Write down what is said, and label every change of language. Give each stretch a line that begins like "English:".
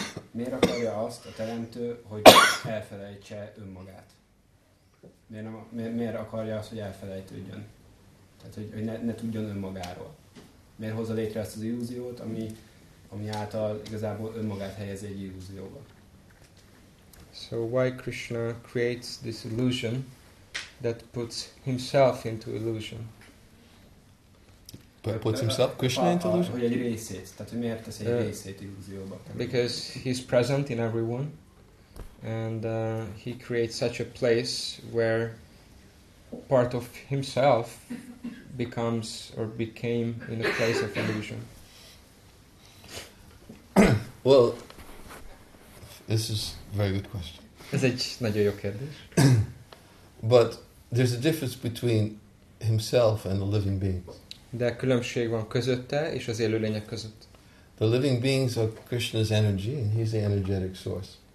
Hungarian: Miért akarja azt a teremtő, hogy elfelejtse önmagát? Miért akarja azt, hogy elfelejtődjön? Tehát, hogy ne tudjon önmagáról. Miért hozza létre ezt az illúziót, ami által igazából önmagát helyez egy illúzióba?
English: So why Krishna creates this illusion that puts himself into illusion? Puts himself, Krishna, into illusion?
Hungarian: Hogy egy részét, tehát hogy miért tesz egy részét illúzióba?
English: Because he's present in everyone, and he creates such a place where part of himself becomes or became in a place of illusion. Well, this is a very good question.
Hungarian: Ez egy nagyon jó kérdés.
English: But there's a difference between himself and the living beings.
Hungarian: De különbség van közötte és az élőlények között.
English: The living beings are Krishna's energy, and he's the energetic source.